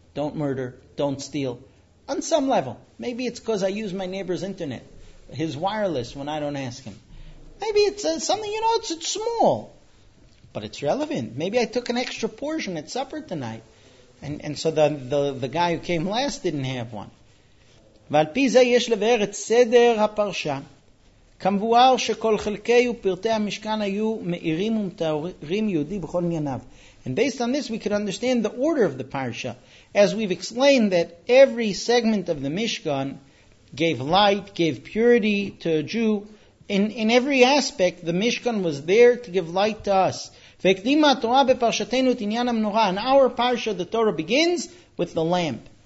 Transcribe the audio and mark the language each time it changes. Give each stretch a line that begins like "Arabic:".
English: Don't murder, don't steal. On some level. Maybe it's because I use my neighbor's internet, his wireless, when I don't ask him. Maybe it's something, you know, it's small, but it's relevant. Maybe I took an extra portion at supper tonight, and so the guy who came last didn't have one.
Hebrew: ועל פי זה יש לבאר את סדר הפרשה, כמבואר שכל חלקי ופרטי המשכן היו מאירים ומתאורים יהודי בכל מייניו.
English: And based on this, we can understand the order of the parsha. As we've explained, that every segment of the Mishkan gave light, gave purity to a Jew. In every aspect, the Mishkan was there to give light to us. In our parsha, the Torah begins with the lamp.